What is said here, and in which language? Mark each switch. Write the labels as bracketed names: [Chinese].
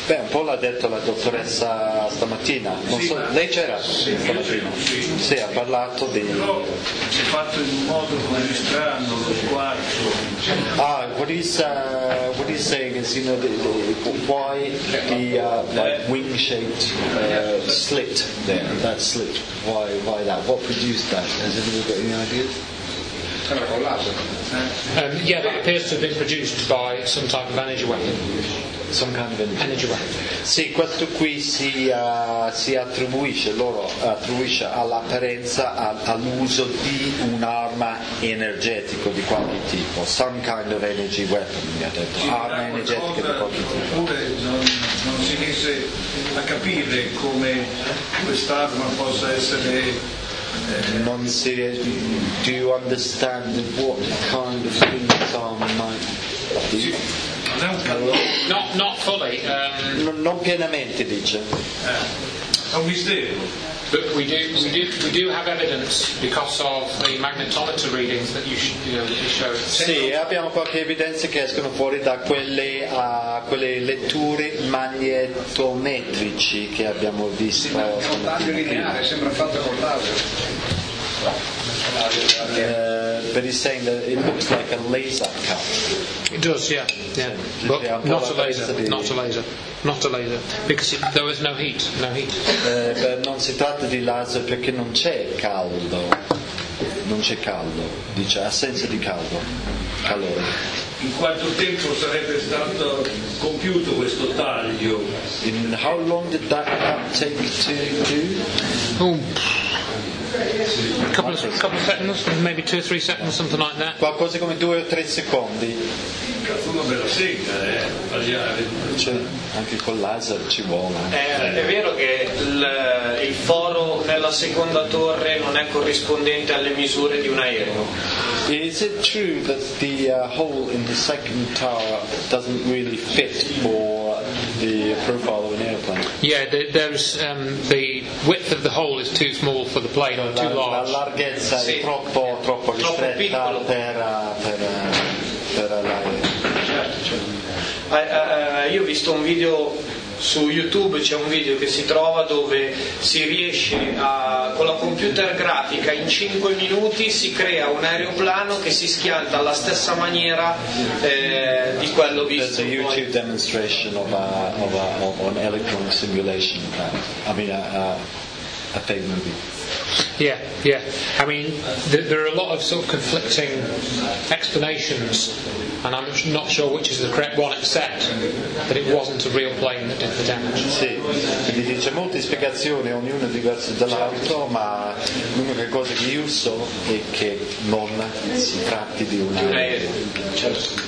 [Italian] Beh, un po' l'ha detto la dottoressa stamattina, non sì, so, lei c'era stamattina? Sì, ha parlato di... Però si è fatto in un modo così strano lo squarcio. [English] Ah, what is saying is, you know, why the like wing shaped slit there, that slit, why that, what produced that, has anybody got any ideas? Yeah, that appears to have been produced by some type of energy weapon. Some kind of energy. Energy weapon. [Italian] Sì, questo qui si attribuisce, loro attribuisce all'apparenza, all'uso di un'arma energetica di qualche tipo. [English] Some kind of energy weapon, [Italian] mi ha detto. Sì, arma energetica di qualche tipo. Oppure non si riesce a capire come quest'arma possa essere... Non si riesce. [English] Do you understand what kind of things are might be? Not fully. [Italian] Non pienamente, dice. Un mistero. [English] But we do have evidence because of the magnetometer readings that you show. [Italian] Sì, abbiamo qualche evidenza che escono fuori da quelle letture magnetometrici che abbiamo visto. Sì, ma è un taglio lineare, sembra fatto con laser. [English] But he's saying that it looks like a laser cut. It does, yeah. But not a laser. Because there was no heat. [Italian] But non si tratta di laser perché non c'è caldo. Non c'è caldo. Dice assenza di caldo. Calore. In quanto tempo sarebbe stato compiuto questo taglio? [English] In how long did that cut take to do? A couple of seconds, maybe 2 or 3 seconds, something like that. [Italian] Qualcosa come 2 o 3 secondi. Qualcuno me lo segna, tagliare. Cioè, anche col laser ci vuole. È vero che il foro nella seconda torre non è corrispondente alle misure di un aereo. [English] Is it true that the hole in the second tower doesn't really fit for the profile of an airplane? Yeah, there's the width of the hole is too small for the plane, or too large. [Italian] La larghezza è troppo ristretta per l'aereo. Io ho visto un video su YouTube, c'è un video che si trova dove si riesce a, con la computer grafica, in 5 minuti si crea un aeroplano che si schianta alla stessa maniera di quello visto. [English] There's a YouTube [Italian] poi. [English] Demonstration of an electronic simulation, I mean a fake movie. Yeah. I mean, there are a lot of sort of conflicting explanations, and I'm not sure which is the correct one, except that it wasn't a real plane that did the damage. [Italian] Sì, quindi dice molte spiegazioni, ognuna diversa dall'altro, ma l'unica cosa che io so è che non si tratti di un aereo.